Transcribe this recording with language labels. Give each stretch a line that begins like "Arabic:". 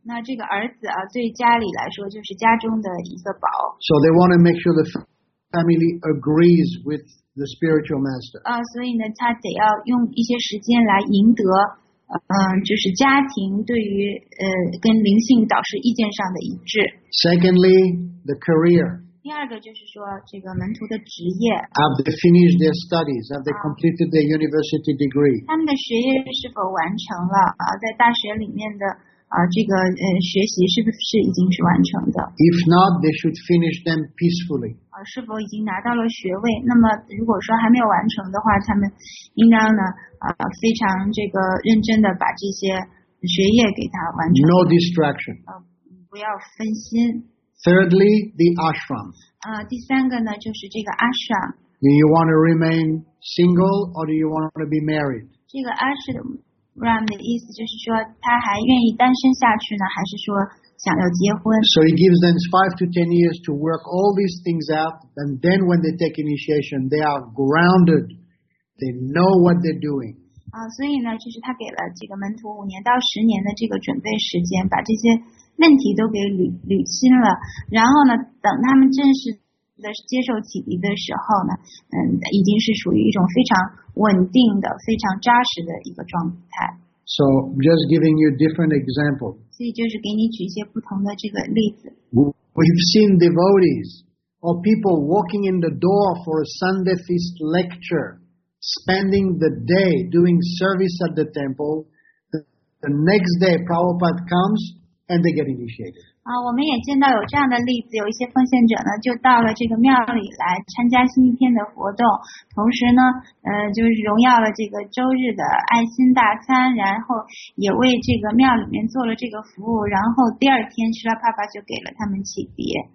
Chinese: 那这个儿子啊，对家里来说就是家中的一个宝。
English: So they want to make sure the family agrees with the spiritual master.
Chinese: 啊，所以呢，他得要用一些时间来赢得。就是家庭对于跟灵性导师意见上的一致。
English: Secondly, the career.
Chinese: 第二个就是说这个门徒的职业。
English: Have they finished their studies? Have they completed their university degree?
Chinese: 他们的学业是否完成了？在大学里面的这个学习是不是已经是完成的？
English: If not, they should finish them peacefully.
Chinese: 是否已经拿到了学位？那么如果说还没有完成的话，他们应当呢？非常这个认真的把这些学业给他完成。
English: No distraction.
Chinese: 不要分心。
English: Thirdly, the ashram.
Chinese: 第三个呢就是这个 ashram。
English: Do you want to remain single or do you want to be married?
Chinese: 这个 ashram 的意思就是说他还愿意单身下去呢，还是说想要结婚？
English: So he gives them 5 to 10 years to work all these things out, and then when they take initiation, they are grounded. They know what they're doing.
Chinese: 所以呢，就是他给了这个门徒5年到10年的这个准备时间，把这些问题都给捋清了。然后呢，等他们正式的接受启迪的时候呢，已经是属于一种非常稳定的、非常扎实的一个状态。
English: So just giving you different example.
Chinese: 所以就是给你举一些不同的这个例子。
English: We've seen devotees or people walking in the door for a Sunday feast lecture. Spending the day doing service at the temple, the next day Prabhupada comes and they get initiated.
Chinese: 我们也见到有这样的例子，有一些奉献者呢，就到了这个庙里来参加星期天的活动，同时呢，就是荣耀了这个周日的爱心大餐，然后也为这个庙里面做了这个服务，然后第二天Śrīla Prabhupāda就给了他们启迪。